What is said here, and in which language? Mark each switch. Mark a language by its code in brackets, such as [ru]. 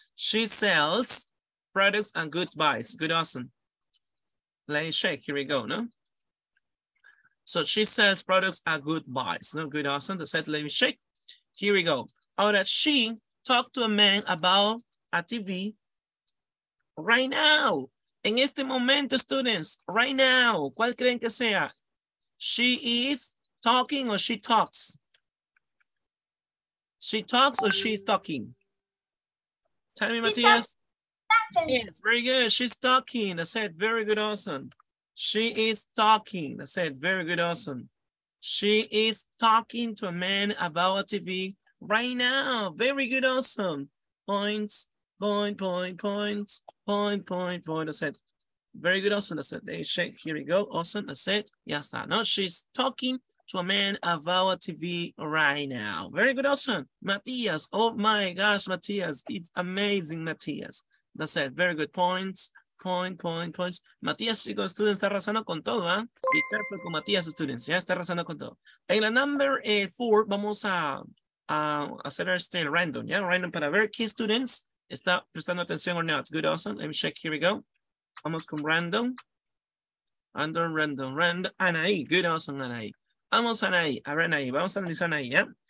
[en] She sells products and good buys, good, awesome. Let me check, here we go, ¿no? So she sells products at good buys, ¿no? Good, awesome, that's it, let me check. Here we go. Ahora, she talked to a man about a TV. Right now, [es] en este momento, students, [en] right now, [es] ¿cuál creen que sea? [en] She is talking or she talks? She talks or she is talking? Tell me, Matias. Yes, very good. She's talking. That's it. Very good. Awesome. She is talking. That's it. Very good. Awesome. She is talking to a man about a TV right now. Very good. Awesome. Points. Point, point, point, point, point, point, that's it. Very good, awesome, that's it. They shake, here we go, awesome, that's it. Yes, that. No, she's talking to a man about TV right now. Very good, awesome. Matias, oh my gosh, Matias, it's amazing, Matias. That's it, very good, points, point, point, points. [es] Matias, chicos, students, está arrasando con todo, ¿eh? [en] Be careful [es] con Matias, students, ya está arrasando con todo. En la [en] number four, [es] vamos a hacer este random, ¿ya? Random para ver qué students. Está prestando atención [en] or not? Good, awesome. Let me check. Here we go. [es] Vamos con random. Under random. Random. Anaí. Good, awesome, Anaí. Vamos, Anaí. A ver, Anaí. Vamos a analizar Anaí, ¿ya?